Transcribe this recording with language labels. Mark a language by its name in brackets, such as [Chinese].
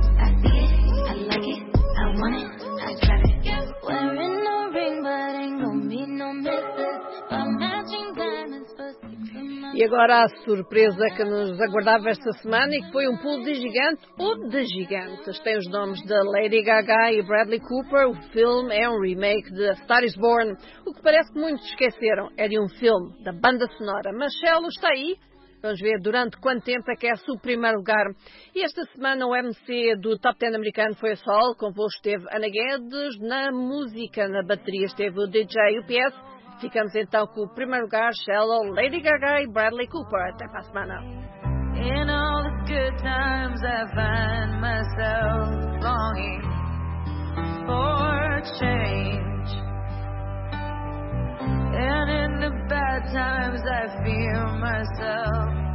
[English] I see it, I like it, I want it, I got it. Yeah. Wearing no ring, but ain't gonna be no misses. I'm matching diamonds for six. [Portuguese] E agora a surpresa que nos aguardava esta semana e que foi um pulo de gigante ou de gigantes. Tem os nomes de Lady Gaga e Bradley Cooper. O filme é um remake de A Star Is Born. O que parece que muitos esqueceram é de um filme da banda sonora. Mas Shello está aí. Vamos ver durante quanto tempo é que é o primeiro lugar. E esta semana o MC do Top 10 americano foi a Sol. Convosco esteve Ana Guedes. Na música, na bateria, esteve o DJ UPS. Ficamos então com o primeiro lugar, Shello, Lady Gaga e Bradley Cooper. Até para a semana. [English] In all the good times I find myself longing for change. And in the bad times I feel myself.